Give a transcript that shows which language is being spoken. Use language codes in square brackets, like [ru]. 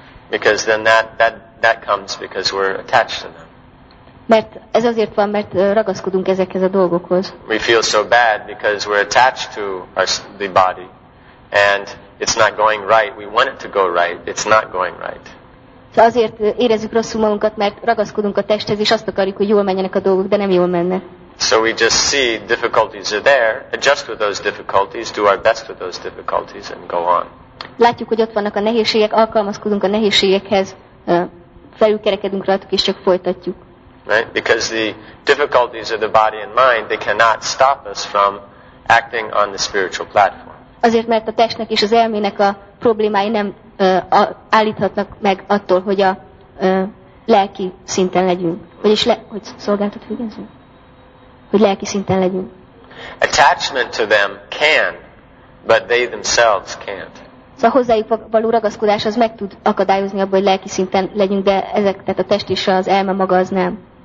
[en] Because then that comes because we're attached to them. [hu] Mert ez azért van, mert ragaszkodunk ezekhez a dolgokhoz. [en] We feel so bad because we're attached to the body. And it's not going right. We want it to go right. It's not going right. [hu] Azért érezzük rosszul magunkat, mert ragaszkodunk a testhez, és azt akarjuk, hogy jól menjenek a dolgok, de nem jól menne. [en] So we just see difficulties are there, adjust with those difficulties, do our best with those difficulties, and go on. [hu] Látjuk, hogy ott vannak a nehézségek, alkalmazkodunk a nehézségekhez, felülkerekedünk rajtuk, és csak folytatjuk. [en] Right? Because the difficulties of the body and mind, they cannot stop us from acting on the spiritual platform. [hu] Azért, mert a testnek és az elmének a problémái nem állíthatnak meg attól, hogy a lelki szinten legyünk. Vagyis hogy szolgáltat végezzünk? Hogy lelki szinten legyünk. [en] Attachment to them can, but they themselves can't. [hu] Szóval hozzájuk való ragaszkodás az meg tud akadályozni abban, hogy lelki szinten legyünk, de ezek, tehát a test és az elme maga az nem.